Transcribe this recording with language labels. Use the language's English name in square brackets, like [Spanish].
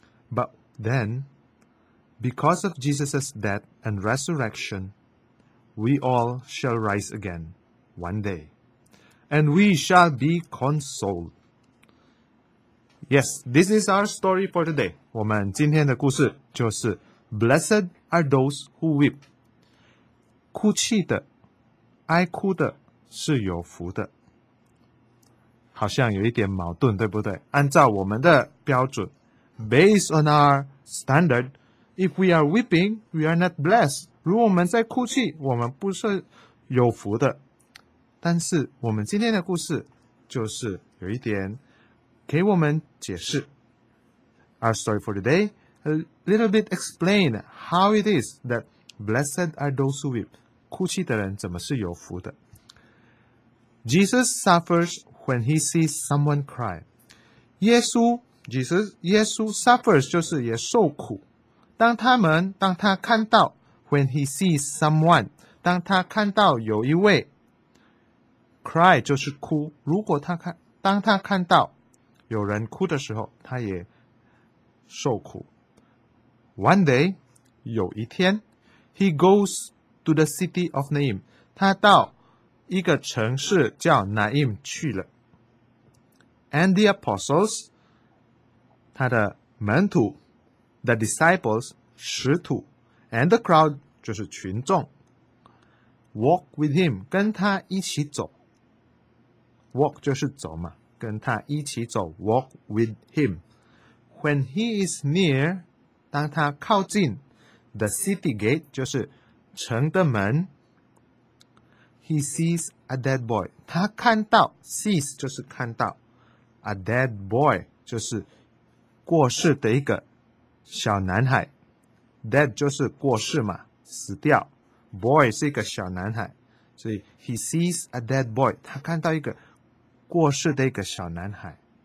[English] But then, because of Jesus' death and resurrection, we all shall rise again one day, and we shall be consoled. Yes, this is our story for today. [Chinese] 我们今天的故事就是 [English] Blessed are those who weep. [Chinese] 哭泣的、哀哭的是有福的。好像有一点矛盾，对不对？按照我们的标准， [English] Based on our standard,If we are weeping, we are not blessed. [Chinese] 如果我们在哭泣，我们不是有福的。但是我们今天的故事就是有一点给我们解释。 [English] Our story for today, a little bit explain how it is that blessed are those who weep. [Chinese] 哭泣的人怎么是有福的。 [English] Jesus suffers when he sees someone cry. [Chinese] 耶稣 suffers 就是也受苦。当他看到 [English] when he sees someone, [Chinese] 当他看到有一位 cry 就是哭，如果他看，当他看到有人哭的时候，他也受苦。 [English] One day, [Chinese] 有一天 [English] he goes to the city of Nain, [Chinese] 他到一个城市叫 Nain 去了。 [English] And the apostles, [Chinese] 他的门徒 [English] The disciples, [Chinese] 使徒 [English] and the crowd, [Chinese] 就是群众 [English] walk with him, [Chinese] 跟他一起走 [English] walk [Chinese] 就是走嘛跟他一起走 [English] walk with him. When he is near, [Chinese] 当他靠近 [English] the city gate, [Chinese] 就是城的门 [English] he sees a dead boy, [Chinese] 他看到 [English] sees [Chinese] 就是看到 [English] a dead boy, [Chinese] 就是过世的一个小男孩 [English] dead [Chinese] 就是过世嘛死掉 [English] boy [Chinese] 是一个小男孩所以 [English] he sees a dead boy [Chinese] 他看到一个过世的一个小男孩